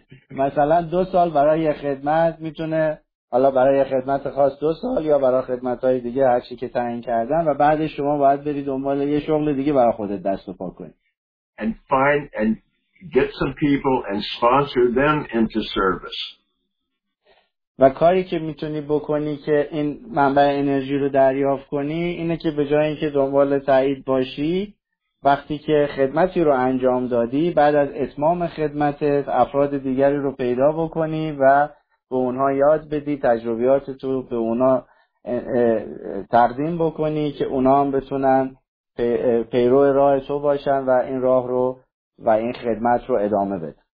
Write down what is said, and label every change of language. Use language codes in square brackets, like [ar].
[fa] مثلا 2 سال برای یه خدمت میتونه، حالا برای یه خدمت خاص 2 سال یا برای خدمت‌های دیگه هر چی که تعیین کردن، و بعدش شما باید برید دنبال یه شغل دیگه برای خودت دست و پا کنید. [en] And find and get some people and sponsor them into service. [fa] و کاری که میتونی بکنی که این منبع انرژی رو دریافت کنی اینه که به جای اینکه دنبال تایید باشی، وقتی که خدمتی رو انجام دادی، بعد از اتمام خدمتت افراد دیگری رو پیدا بکنی و به اونها یاد بدی، تجربیاتتو به اونها تقدیم بکنی که اونها هم بتونن پیرو راه تو باشن و این راه رو و این خدمت رو ادامه بده.